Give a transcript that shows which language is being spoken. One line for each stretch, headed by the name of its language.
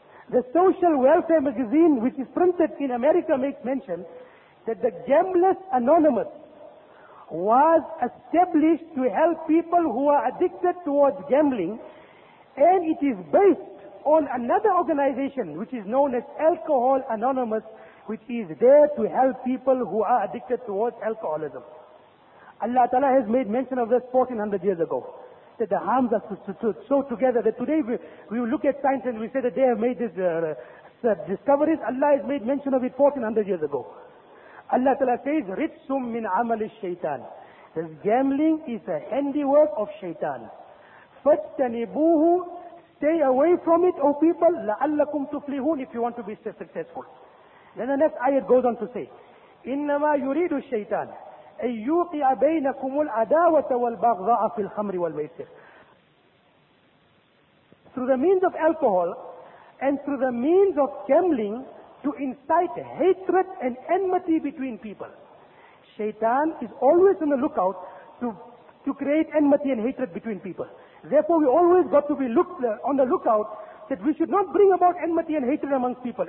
English: The Social Welfare magazine, which is printed in America, makes mention that the Gamblers Anonymous was established to help people who are addicted towards gambling, and it is based on another organization which is known as Alcohol Anonymous, which is there to help people who are addicted towards alcoholism. Allah Ta'ala has made mention of this 1400 years ago, that the harms are so together that today we look at science and we say that they have made this discoveries. Allah has made mention of it 1400 years ago. Allah Ta'ala says,
Arabic: رِجْسٌ مِّنْ عَمَلِ الشَّيْطَانِ.
English: This gambling is a handiwork of shaitan.
Arabic: فَاجْتَنِبُوهُ.
English: Stay away from it, O people,
Arabic: لَعَلَّكُمْ تُفْلِحُونَ,
English: if you want to be successful. Then the next ayat goes on to say,
Arabic: إِنَّمَا يُرِيدُ الشَّيْطَانِ أَن يُوقِعَ بَيْنَكُمُ الْعَدَاوَةَ وَالْبَغْضَاءَ فِي الْخَمْرِ وَالْمَيْسِرِ.
English: Through the means of alcohol and through the means of gambling, to incite hatred and enmity between people. Shaitan is always on the lookout to create enmity and hatred between people. Therefore, we always got to be on the lookout that we should not bring about enmity and hatred amongst people.